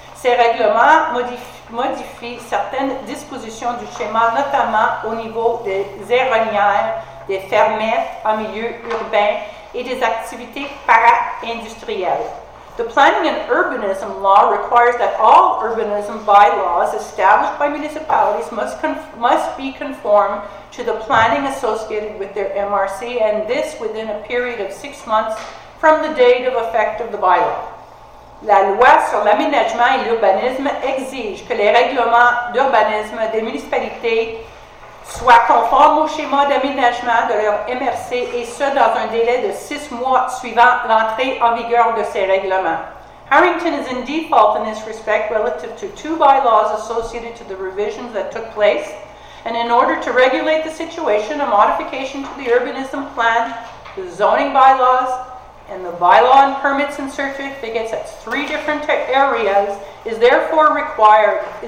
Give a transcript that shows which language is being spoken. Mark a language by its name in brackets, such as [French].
[French] Ces règlements modifient certaines dispositions du schéma, notamment au niveau des éronnières, des fermettes en milieu urbain et des activités para-industrielles. [English] The Planning and Urbanism Law requires that all urbanism bylaws established by municipalities must be conform to the planning associated with their MRC, and this within a period of 6 months from the date of effect of the bylaw. [French] La loi sur l'aménagement et l'urbanisme exige que les règlements d'urbanisme des municipalités soient conformes au schéma d'aménagement de leur MRC, et ce, dans un délai de 6 mois suivant l'entrée en vigueur de ces règlements. [English] Harrington is in default in this respect relative to two bylaws associated to the revisions that took place, and in order to regulate the situation, a modification to the urbanism plan, the zoning bylaws, and the bylaw on permits and certificates at three different areas is therefore required.